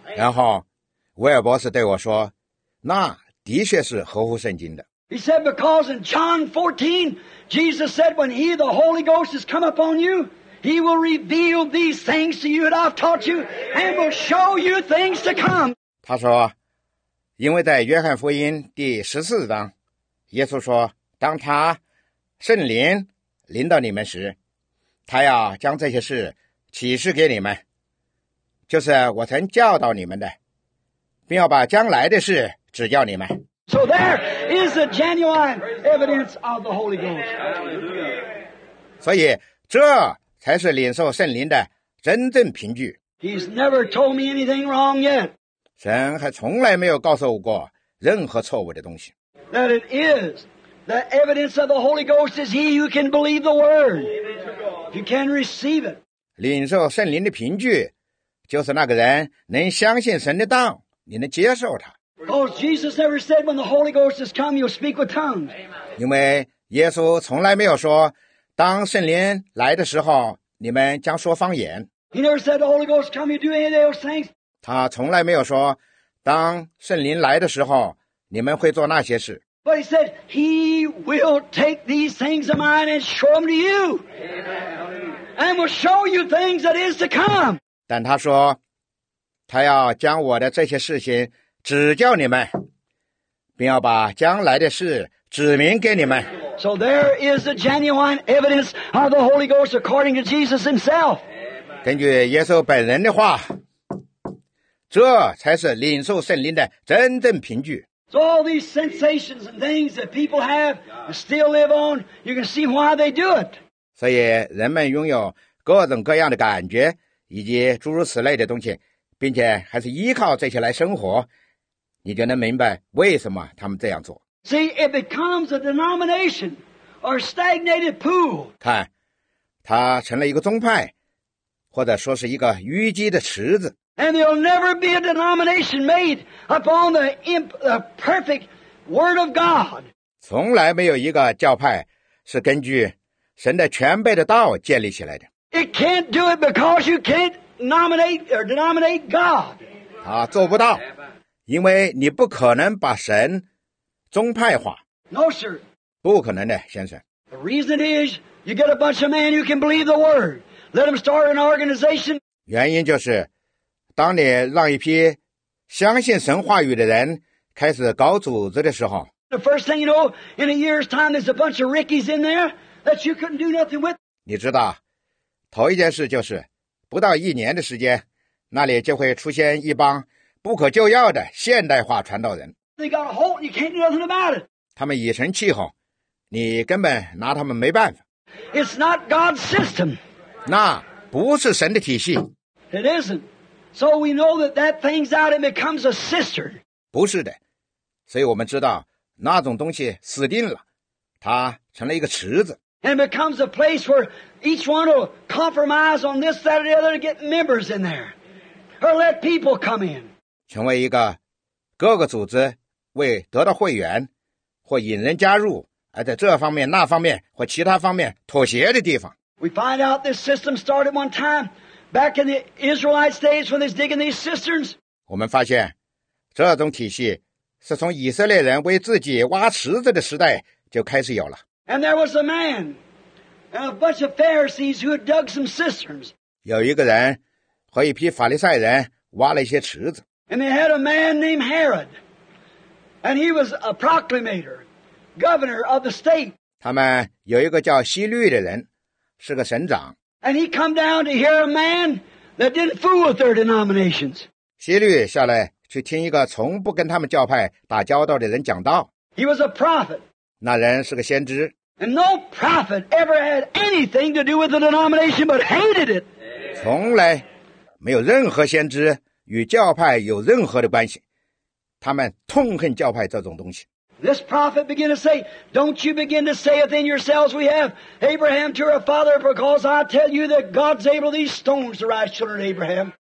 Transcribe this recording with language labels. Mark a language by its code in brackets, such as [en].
[zh] 然后威尔博士对我说，那的确是合乎圣经的。 [en] He said, because in John 14, Jesus said, when he, the Holy Ghost, has come upon you, he will reveal these things to you that I've taught you, and will show you things to come. [zh] 他说，因为在约翰福音第十四章，耶稣说，当他圣灵临到你们时，他要将这些事启示给你们，就是我曾教导你们的，并要把将来的事指教你们。 [en] So there is a genuine evidence of the Holy Ghost. [zh] 所以这才是领受圣灵的真正凭据。 [en] He's never told me anything wrong yet. [zh] 神还从来没有告诉我过任何错误的东西。 [en] That it is the evidence of the Holy Ghost is he who can believe the word. You can receive it. [zh] 领受圣灵的凭据就是那个人能相信神的道，你能接受他。 [en] Because Jesus never said when the Holy Ghost has come, you'll speak with tongues. [zh] 因为耶稣从来没有说，当圣灵来的时候，你们将说方言。 [en] He never said the Holy Ghost come, you do any of those things. [zh] 他从来没有说，当圣灵来的时候，你们会做那些事。 [en] But he said, he will take these things of mine and show them to you. Amen. And will show you things that is to come. [zh] 但他说，他要将我的这些事情指教你们，并要把将来的事指明给你们。 [en] So there is the genuine evidence of the Holy Ghost according to Jesus himself. [zh] 根据耶稣本人的话，这才是领受圣灵的真正凭据。 [en] So all these sensations and things that people have and still live on, you can see why they do it. [zh] 所以人们拥有各种各样的感觉以及诸如此类的东西，并且还是依靠这些来生活，你就能明白为什么他们这样做。 [en] See, it becomes a denomination or stagnated pool. [zh] 看，它成了一个宗派，或者说是一个淤积的池子。 [en] And there'll never be a denomination made upon the perfect word of God. [zh] 从来没有一个教派是根据神的全备的道建立起来的。 [en] It can't do it because you can't nominate or denominate God. [zh] 它做不到，因为你不可能把神宗派化。 [en] No, sir. [zh] 不可能的，先生。 [en] The reason is you get a bunch of men who can believe the word. Let them start an organization. [zh] 原因就是当你让一批相信神话语的人开始搞组织的时候 [en] ，The first thing you know, in a year's time, there's a bunch of rickies in there that you couldn't do nothing with. [zh] 你知道，头一件事就是，不到一年的时间，那里就会出现一帮不可救药的现代化传道人。 [en] They got a hole, you can't do nothing about it. [zh] 他们已成气候，你根本拿他们没办法。 [en] It's not God's system. [zh] 那不是神的体系。 [en] It isn't. So we know that that thing's out and becomes a cistern. [zh] 不是的，所以我们知道那种东西死定了，它成了一个池子。 [en] And becomes a place where each one will compromise on this, that, or the other to get members in there, or let people come in. [zh] 成为一个各个组织为得到会员或引人加入而在这方面、那方面或其他方面妥协的地方。 [en] We find out this system started one time. Back in the Israelite days when they were digging these cisterns, [zh] 我们发现这种体系是从以色列人为自己挖池子的时代就开始有了。 [en] And there was a man, a bunch of Pharisees who had dug some cisterns. [zh] 有一个人和一批法利赛人挖了一些池子。 [en] And they had a man named Herod, and he was a proclamator, governor of the state. [zh] 他们有一个叫希律的人，是个省长。 [en] And he come down to hear a man that didn't fool with their denominations. [zh] 希律下来去听一个从不跟他们教派打交道的人讲道。 [en] He was a prophet. [zh] 那人是个先知。 [en] And no prophet ever had anything to do with the denomination but hated it. [zh] 从来没有任何先知与教派有任何的关系，他们痛恨教派这种东西。 [en] This prophet began to say, Don't you begin to say within yourselves, We have Abraham to our father, because I tell you that God's able these stones to rise children of Abraham.